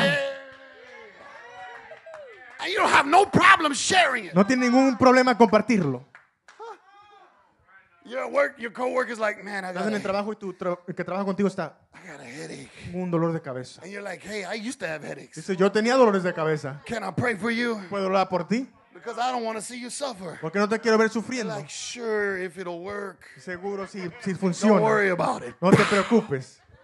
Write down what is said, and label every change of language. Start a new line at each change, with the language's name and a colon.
English: and you don't have no problem sharing it.
Spanish: No tiene ningún problema compartirlo.
English: Your work, your coworker is like, man, I got.
Spanish: En el trabajo y tu el que trabaja contigo está.
English: I got a headache.
Spanish: Un dolor de cabeza.
English: And you're like, hey, I used to have headaches.
Spanish: Dice, yo tenía dolores de cabeza.
English: Can I pray for you?
Spanish: Puedo orar por ti.
English: Because I don't want to see you suffer.
Spanish: Porque no te quiero ver sufriendo.
English: Like, sure, if it'll work.
Spanish: Seguro si funciona.
English: Don't worry about it.
Spanish: No te preocupes.